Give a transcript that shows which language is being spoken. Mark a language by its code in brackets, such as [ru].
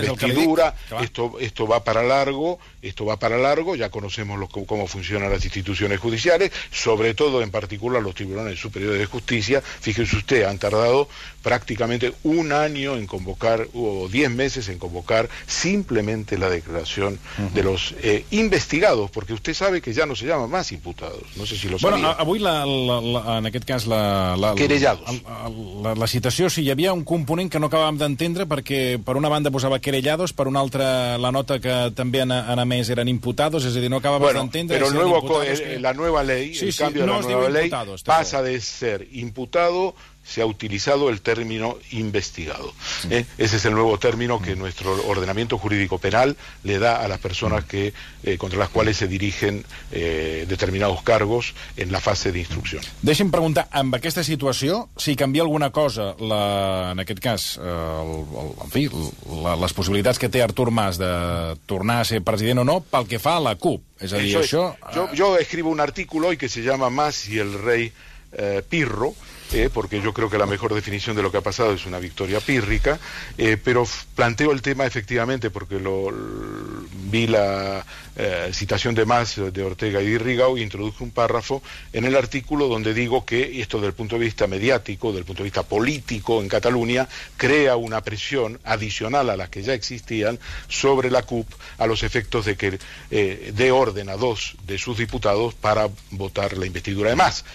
[es] investidura, esto va para largo, ya conocemos cómo funcionan las instituciones judiciales, sobre todo, en particular, los tribunales superiores de justicia. Fíjense usted, han tardado prácticamente un año en convocar, o 10 meses en convocar, simplemente la declaración de los investigados, porque usted sabe que ya no se llama más imputados, no sé si lo sabía. [ca] Bueno, avui, en aquest cas, [es] querellados. [ca] La citació, hi havia un component que no acabàvem d'entendre, perquè per una banda posava querellados, per una altra la nota que també han emès eren imputados, és a dir, no acabàvem d'entendre. [es] Bueno, pero la nueva ley, el cambio de la nueva ley, pasa de ser imputado se ha utilizado el término investigado. Sí. Ese es el nuevo término que nuestro ordenamiento jurídico penal le da a las personas que contra las cuales se dirigen determinados cargos en la fase de instrucción. [ca] Deixi'm preguntar, amb aquesta situació, si canvia alguna cosa, en aquest cas, les possibilitats que té Artur Mas de tornar a ser president o no, pel que fa a la CUP. És a dir, [es] Yo escribo un artículo hoy que se llama Mas y el rey Pirro, porque yo creo que la mejor definición de lo que ha pasado es una victoria pírrica, pero planteo el tema efectivamente porque vi la citación de Mas, de Ortega y de Rigau, y introduje un párrafo en el artículo donde digo que esto del punto de vista mediático, del punto de vista político en Cataluña, crea una presión adicional a las que ya existían sobre la CUP a los efectos de que dé orden a dos de sus diputados para votar la investidura de Mas.